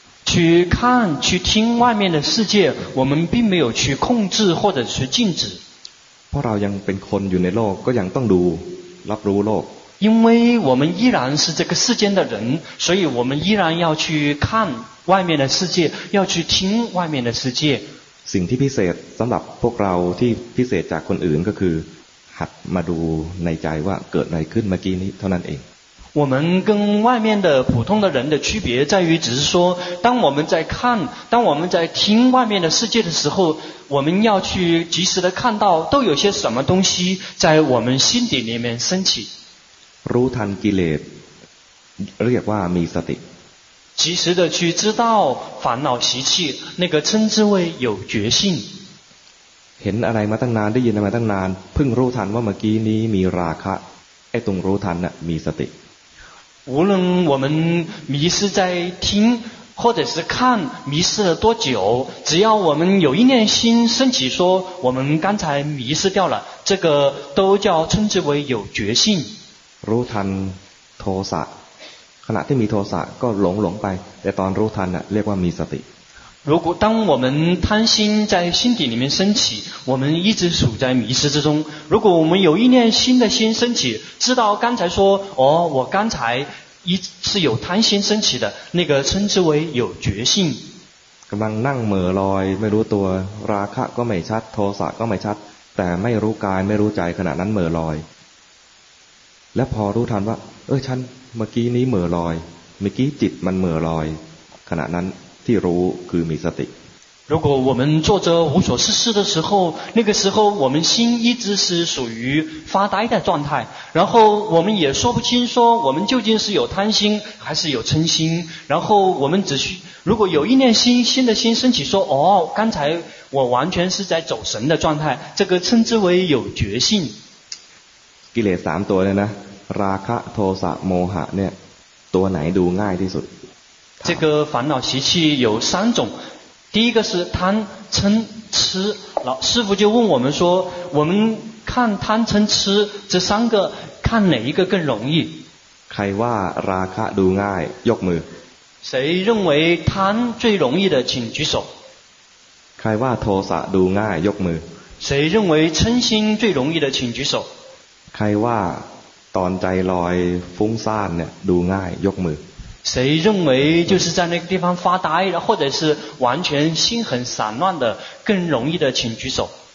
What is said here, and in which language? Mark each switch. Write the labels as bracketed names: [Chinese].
[Chinese] 去看去听外面的世界我们并没有去控制或者是禁止 [Thai] เพราะเรายังเป็นคนอยู่ในโลกก็ยังต้องดูรับรู้โลก [Chinese] 因为我们依然是这个世间的人所以我们依然要去看外面的世界要去听外面的世界 [Thai] สิ่งที่พิเศษสำหรับพวกเราที่พิเศษจากคนอื่นก็คือหัดมาดูในใจว่าเกิดอะไรขึ้นเมื่อกี้นี้เท่านั้นเอง [Chinese] 我们跟外面的普通的人的区别在于只是说当我们在看当我们在听外面的世界的时候我们要去及时的看到都有些什么东西在我们心底里面升起 [Thai] รู้ทันกิเลสเรียกว่ามีสติ [Chinese] 及时的去知道烦恼习气那个称之为有觉性 [Thai] เห็นอะไรมาตั้งนานได้ยินอะไรมาตั้งนานเพิ่งรู้ทันว่าเมื่อกี้นี้มีราคะไอ้ตรงรู้ทันน่ะมีสติ [Chinese] 无论我们迷失在听或者是看，迷失了多久，只要我们有一念心升起说我们刚才迷失掉了，这个都叫称之为有觉性。 [Thai] รู้ทันโทสะขณะที่มีโทสะก็หลงหลงไปแต่ตอนรู้ทันเรียกว่ามีสติ [Chinese] 如果当我们贪心在心底里面升起，我们一直处在迷失之中。如果我们有一念心的心升起，知道刚才说哦，我刚才一是有贪心升起的，那个称之为有觉性。 [Thai] กำลังนั่งเหม่อลอยไม่รู้ตัวราคะก็ไม่ชัดโทสะก็ไม่ชัดแต่ไม่รู้กายไม่รู้ใจขณะนั้นเหม่อลอยและพอรู้ทันว่าเออฉันเมื่อกี้นี้เหม่อลอยเมื่อกี้จิตมันเหม่อลอยขณะนั้นที่รู้คือมีสติ [Chinese] 如果我们坐着无所事事的时候，那个时候我们心一直是属于发呆的状态，然后我们也说不清说我们究竟是有贪心还是有嗔心，然后我们只需如果有一念心，心的心升起说哦，刚才我完全是在走神的状态，这个称之为有觉性。 [Thai] กิเลส3ตัวเนี่ยนะราคะโทสะโมหะเนี่ยตัวไหนดูง่ายที่สุด [Chinese] 这个烦恼习气有三种，第一个是贪嗔痴，老师父就问我们说，我们看贪嗔痴这三个，看哪一个更容易？ [Thai] ใครว่าราคะดูง่ายยกมือ [Chinese] 谁认为贪最容易的请举手 [Thai] ใครว่าโทสะดูง่ายยกมือ [Chinese] 谁认为嗔心最容易的请举手 [Thai] ใครว่าตอนใจลอยฟุ้งซ่านเนี่ยดูง่ายยกมือ [Chinese] 谁认为就是在那个地方发呆或者是完全心很散乱的更容易的请举手